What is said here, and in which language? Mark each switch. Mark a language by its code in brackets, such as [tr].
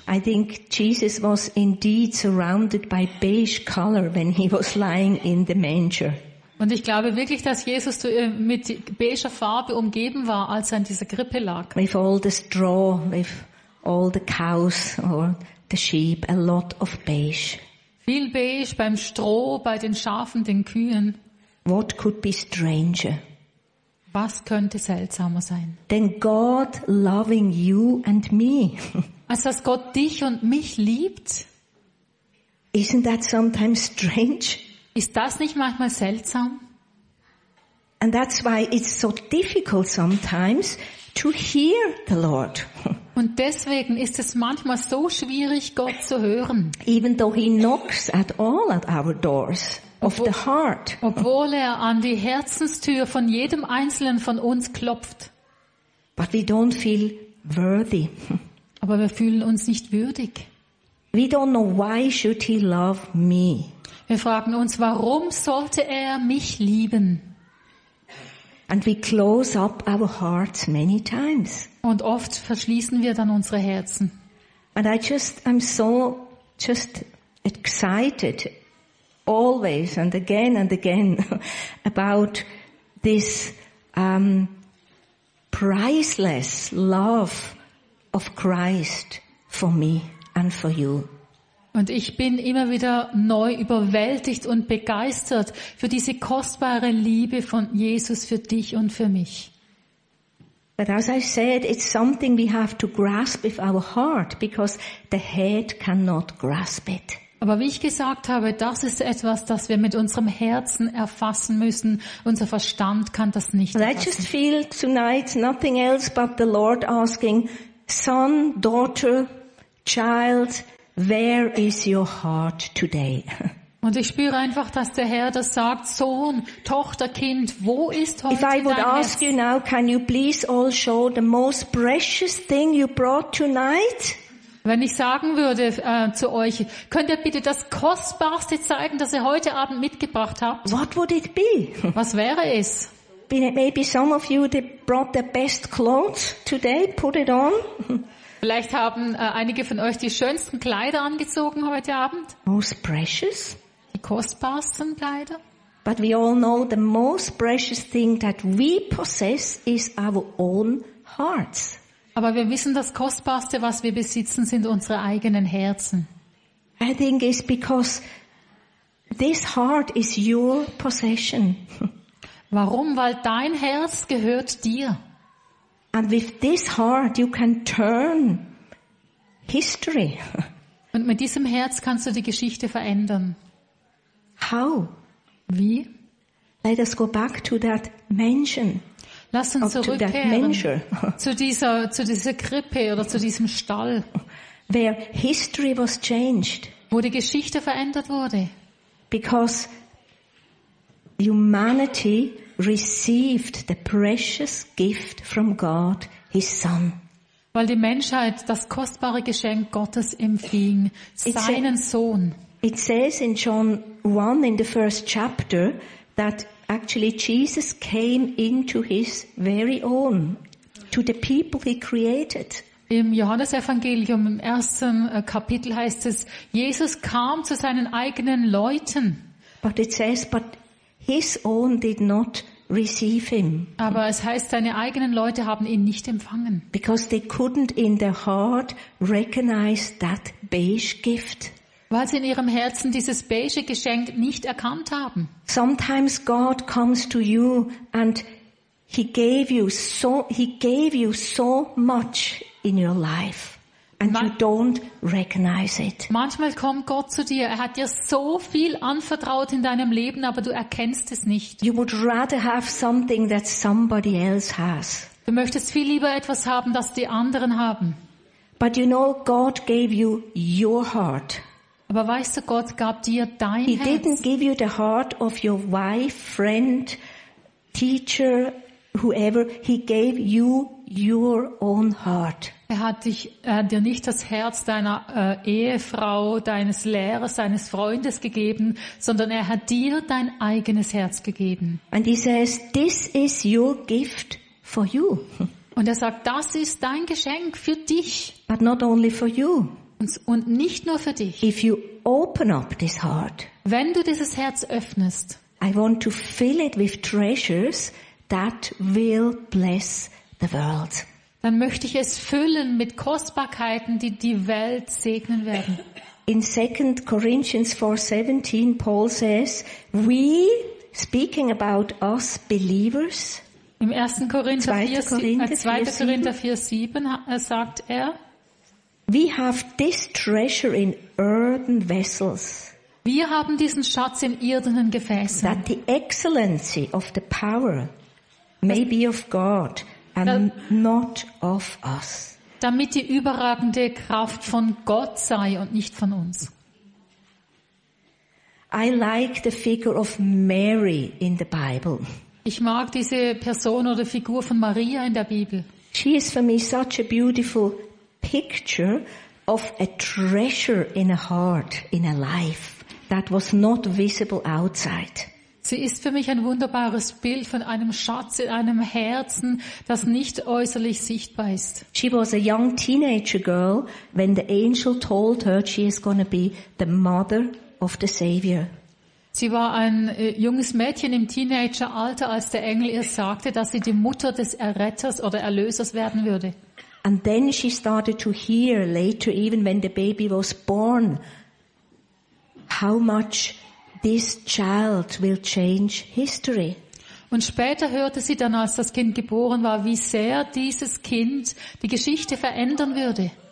[en] I think Jesus was indeed surrounded by beige color when he was lying in the manger. [de] Und ich glaube wirklich, dass Jesus mit beiger Farbe umgeben war, als er in dieser Krippe lag. [en] With all the straw, with all the cows or the sheep, a lot of beige. [de] Viel beige beim Stroh, bei den Schafen, den Kühen. [en] What could be stranger? [de] Was könnte seltsamer sein? [en] Than God loving you and me. [de] Als dass Gott dich und mich liebt? [en] Isn't that sometimes strange? [de] Ist das nicht manchmal seltsam? [en] And that's why it's so difficult sometimes to hear the Lord. [de] Und deswegen ist es manchmal so schwierig, Gott zu hören. [en] Even though he knocks at all at our doors. Of the heart. [de] Obwohl er an die Herzenstür von jedem Einzelnen von uns klopft. [en] But we don't feel worthy. [de] Aber wir fühlen uns nicht würdig. [en] We don't know why should he love me. [de] Wir fragen uns, warum sollte er mich lieben? [en] And we close up our hearts many times. [de] Und oft verschließen wir dann unsere Herzen. [en] And I'm so excited. Always and again about this priceless love of Christ for me and for you. [de] Und ich bin immer wieder neu überwältigt und begeistert für diese kostbare Liebe von Jesus für dich und für mich. [en] But as I said, it's something we have to grasp with our heart, because the head cannot grasp it. [de] Aber wie ich gesagt habe, das ist etwas, das wir mit unserem Herzen erfassen müssen. Unser Verstand kann das nicht erfassen. [en] I just feel tonight nothing else but the Lord asking, son, daughter, child, where is your heart today? [de] Und ich spüre einfach, dass der Herr das sagt, Sohn, Tochter, Kind, wo ist heute dein Herz? [en] If I would ask you now, can you please all show the most precious thing you brought tonight? [de] Wenn ich sagen würde zu euch, könnt ihr bitte das Kostbarste zeigen, das ihr heute Abend mitgebracht habt? [en] What would it be? [de] Was wäre es? [en] Maybe some of you that brought the best clothes today, put it on. [de] Vielleicht haben einige von euch die schönsten Kleider angezogen heute Abend. [en] Most precious? [de] Die kostbarsten Kleider. [en] But we all know the most precious thing that we possess is our own hearts. [de] Aber wir wissen, das Kostbarste, was wir besitzen, sind unsere eigenen Herzen. [en] I think it's because this heart is your possession. [de] Warum? Weil dein Herz gehört dir. [en] And with this heart you can turn history. [de] Und mit diesem Herz kannst du die Geschichte verändern. [en] How? [de] Wie? [en] Let us go back to that mansion. [de] Lass uns zurückkehren zu dieser Krippe oder zu diesem Stall, [en] where history was changed, [de] wo die Geschichte verändert wurde, [en] because humanity received the precious gift from God, His Son. [de] Weil die Menschheit das kostbare Geschenk Gottes empfing, seinen Sohn. [en] It says in John 1 in the first chapter that actually Jesus came into his very own, to the people he created. [de] Im Johannesevangelium im ersten Kapitel heißt es, Jesus kam zu seinen eigenen Leuten. [en] But it says, but his own did not receive him. [de] Aber es heißt, seine eigenen Leute haben ihn nicht empfangen. [en] Because they couldn't in their heart recognize that beige gift. [de] Weil sie in ihrem Herzen dieses beige Geschenk nicht erkannt haben. [en] Sometimes God comes to you and he gave you so much in your life and you don't recognize it. [de] Manchmal kommt Gott zu dir, er hat dir so viel anvertraut in deinem Leben, aber du erkennst es nicht. [en] You would rather have something that somebody else has. [de] Du möchtest viel lieber etwas haben, das die anderen haben. [en] But you know God gave you your heart. [de] Aber weißt du, Gott gab dir dein Herz. [en] He didn't give you the heart of your wife, friend, teacher, whoever. He gave you your own heart. [de] Er hat dir nicht das Herz deiner Ehefrau, deines Lehrers, deines Freundes gegeben, sondern er hat dir dein eigenes Herz gegeben. [en] And he says, this is your gift for you. [de] Und er sagt, das ist dein Geschenk für dich. [en] But not only for you. [de] Und nicht nur für dich. [en] If you open up this heart, [de] wenn du dieses Herz öffnest, [en] I want to fill it with treasures that will bless the world. [de] Dann möchte ich es füllen mit Kostbarkeiten, die die Welt segnen werden. [en] In 2 Corinthians 4:17, Paul says, we, speaking about us believers, [de] im 2. Korinther 4:7 sagt er, [en] we have this treasure in earthen vessels. [de] Wir haben diesen Schatz in irdenen Gefäßen. [en] That the excellency of the power may be of God and not of us. [de] Damit die überragende Kraft von Gott sei und nicht von uns. [en] I like the figure of Mary in the Bible. [de] Ich mag diese Person oder Figur von Maria in der Bibel. [en] She is for me such a beautiful picture of a treasure in a heart, in a life that was not visible outside. [de] Sie ist für mich ein wunderbares Bild von einem Schatz in einem Herzen, das nicht äußerlich sichtbar ist. [en] She was a young teenager girl when the angel told her she is going to be the mother of the Savior. [de] Sie war ein junges Mädchen im Teenageralter, als der Engel ihr sagte, dass sie die Mutter des Erretters oder Erlösers werden würde. [en] And then she started to hear later, even when the baby was born, how much this child will change history. [de] Und später hörte sie dann, als das Kind geboren war, wie sehr dieses Kind die Geschichte verändern würde.